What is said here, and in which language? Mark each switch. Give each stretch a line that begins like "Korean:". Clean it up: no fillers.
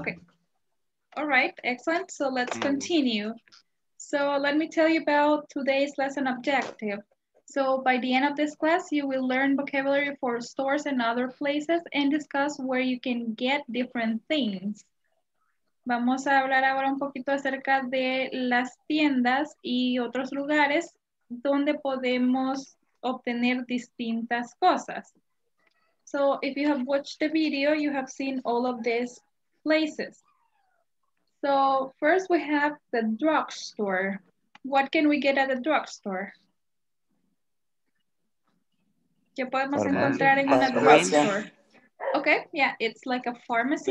English: Okay. All right, excellent. So let's continue. So let me tell you about today's lesson objective. So by the end of this class, you will learn vocabulary for stores and other places and discuss where you can get different things.
Spanish: Vamos a hablar ahora un poquito acerca de las tiendas y otros lugares donde podemos obtener distintas cosas.
English: So if you have watched the video, you have seen all of these places. So first we have the drugstore. What can we get at the drugstore?
Spanish: ¿Qué podemos encontrar en una drugstore?
English: Okay, yeah, it's like a pharmacy.